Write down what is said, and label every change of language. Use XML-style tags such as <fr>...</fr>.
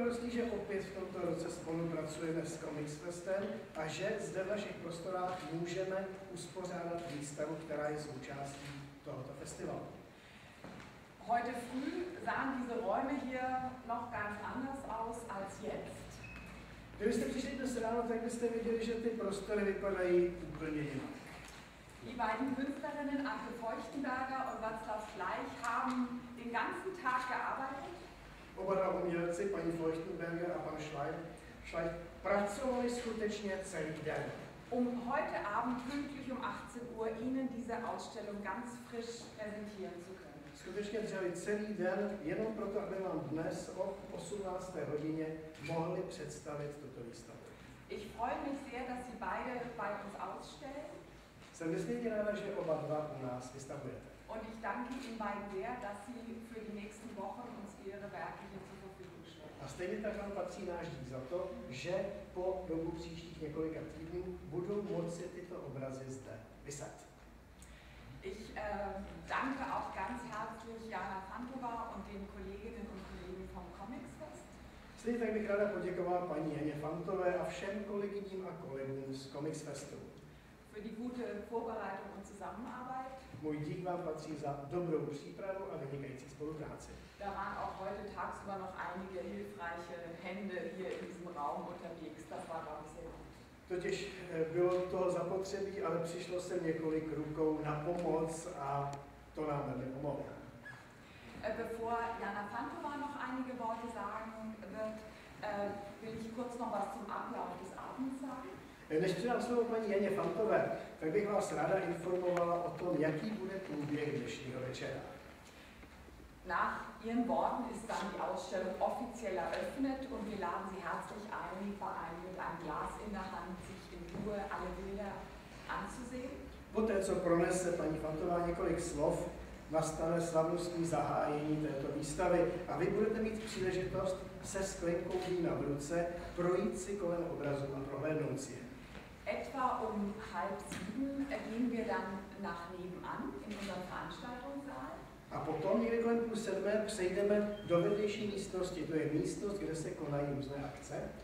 <cs>Že opět v tomto roce spolupracujeme s Comics Festem a že zde v našich prostorách můžeme uspořádat výstavu, která je součástí tohoto festivalu.</cs> <de>Heute früh sahen diese Räume hier noch ganz anders aus als jetzt.</de> <cs>Kdybyste přišli dnes ráno, tak byste viděli, že ty prostory vypadají úplně jinak.</cs> <de>Die beiden Künstlerinnen Anke Feuchtenberger und Václav Fleisch haben den ganzen Tag gearbeitet.</de> <cs>Oba dva umělci, paní Feuchtenberger a pan Schleich, pracovali skutečně celý den.</cs> <de>Heute Abend pünktlich 18 Uhr Ihnen diese Ausstellung ganz frisch präsentieren zu können.</de> <cs>Skutečně dřeli celý den, jenom proto, aby vám dnes o 18. hodině mohli představit tuto výstavu.</cs> <de>Ich freue mich sehr, dass Sie beide bei uns ausstellen.</de> <cs>Jsem nesmírně ráda, že oba dva u nás vystavujete.</cs> <de>Und ich danke Ihnen beiden sehr, dass Sie für die nächsten Wochen uns Ihre Werke hier zur Verfügung stellen.</de> <cs>A stejně tak vám patří náš dík za to, že po dobu příštích několika týdnů budou moci tyto obrazy zde vysat.</cs> <de>Ich danke auch ganz herzlich Jana Fantova und den Kolleginnen und Kollegen vom Comics Fest.</de> <cs>Stejně tak bych ráda poděkoval paní Janě Fantové a všem kolegyním a kolegům z Comics Festu.</cs> <de>Für die gute Vorbereitung und Zusammenarbeit.</de> <cs>Můj dík vám patří za dobrou přípravu a vynikající spolupráci.</cs> <de>Da waren auch heute tagsüber noch einige hilfreiche Hände hier in diesem Raum unterwegs. Das war glaube ich sehr gut.</de> <cs>Totiž bylo toho zapotřebí, ale přišlo se několik rukou na pomoc a to nám velmi pomohlo.</cs> <de>Bevor Jana Fantova noch einige Worte sagen wird, will ich kurz noch was zum Ablauf des Abends sagen.</de> <cs>Než předám slovo paní Janě Fantové, tak bych vás ráda informovala o tom, jaký bude průběh dnešního večera.</cs> <de>Nach Ihren Worten ist dann die Ausstellung offiziell eröffnet und wir laden Sie herzlich ein, vor allem mit einem Glas in der Hand, sich in Ruhe alle Bilder anzusehen.</de> <cs>Poté, co pronese paní Fantová několik slov, nastane slavnostní zahájení této výstavy a vy budete mít příležitost se sklenkou vína v ruce projít si kolem obrazu a prohlédnout si je.</cs> <de>Etwa halb sieben gehen wir dann nach nebenan in unserem Veranstaltungssaal.</de> <cs>A potom někdy kolem půl sedmé přejdeme do vedlejší místnosti, to je místnost, kde se konají různé akce.</cs>